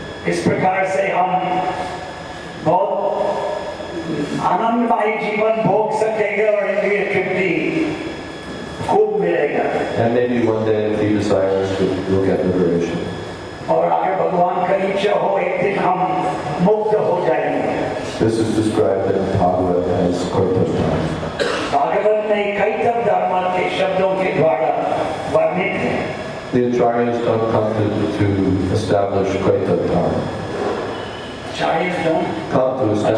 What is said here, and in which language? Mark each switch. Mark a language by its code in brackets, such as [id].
[hi] इस प्रकार से हम बहुत आनंदमय जीवन भोग सकेंगे और इंद्रिय तृप्ति खूब मिलेगा. [en] And maybe one day if he desires to look at liberation. [hi] और अगर भगवान का इच्छा हो एक दिन हम मुक्त हो जाएंगे. [en] This is described in Bhagavad as Kaitav Dharma. [hi] Bhagavad ne Kaitav Dharma ke shabdon ke dwara varnit hai. [en] The Acharyas don't come to establish Kaitav Dharma. Acharyas don't come to establish.